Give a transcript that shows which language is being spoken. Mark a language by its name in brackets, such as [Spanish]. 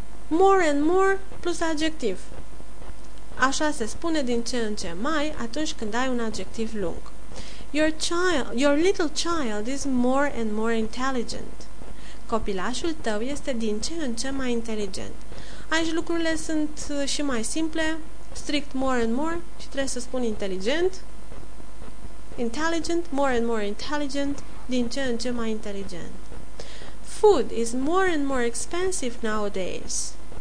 [Romanian] More and more plus adjectiv. Așa se spune din ce în ce mai atunci când ai un adjectiv lung. [English] Your little child is more and more intelligent. [Romanian] Copilașul tău este din ce în ce mai inteligent. Aici lucrurile sunt și mai simple, strict more and more și trebuie să spun inteligent. [English] Intelligent, more and more intelligent, [Romanian] din ce în ce mai inteligent. [English] Food is more and more expensive nowadays.